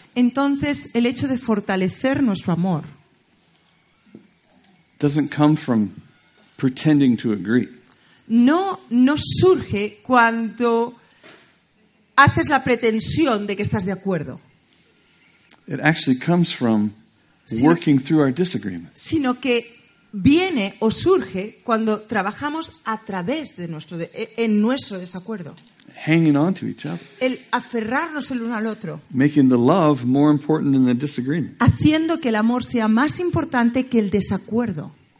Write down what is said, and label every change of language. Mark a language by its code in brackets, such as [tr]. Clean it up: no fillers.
[es] Entonces, el hecho de fortalecer nuestro amor [en] doesn't come from pretending to agree. [es] No surge cuando haces la pretensión de que estás de acuerdo. [en] It actually comes from working through our disagreements. [es] Sino que viene o surge cuando trabajamos a través de nuestro desacuerdo. [en] Hanging on to each other. [es] El aferrarnos el uno al otro. [en] Making the love more important than the disagreement. [es] Haciendo que el amor sea más importante que el desacuerdo.